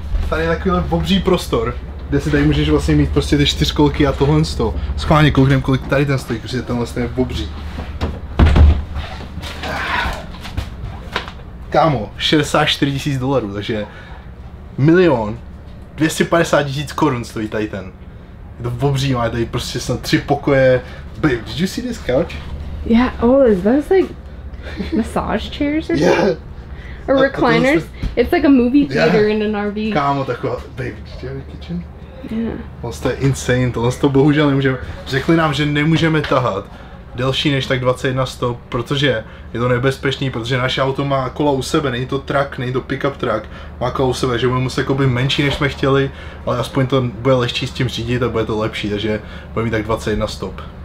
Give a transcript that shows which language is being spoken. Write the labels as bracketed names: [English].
[Czech] Tady je takovýhle obří prostor, kde si tady můžeš vlastně mít prostě ty čtyřkolky a tohle z toho. Schválně koukneme, kolik tady ten stojí, protože tenhle je obří. kámo, $64,000, takže $1,250,000 stojí tady ten. Je to obří, má tady prostě snad 3 pokoje. [English] Babe, did you see this couch? Yeah, oh, is that like massage chairs or something? Yeah. Or recliners? It's like a movie theater in an RV. [Czech] Kámo, taková, [English] babe, did you have a kitchen? Yeah. [Czech] Tohle je insane, tohle to bohužel nemůžeme. Řekli nám, že nemůžeme tahat delší než tak 21 stop, protože je to nebezpečný, protože naše auto má kola u sebe, není to truck, není to pickup truck, má kola u sebe, že budeme muset jako být menší než jsme chtěli, ale aspoň to bude lehčí s tím řídit a bude to lepší, takže budeme mít tak 21 stop.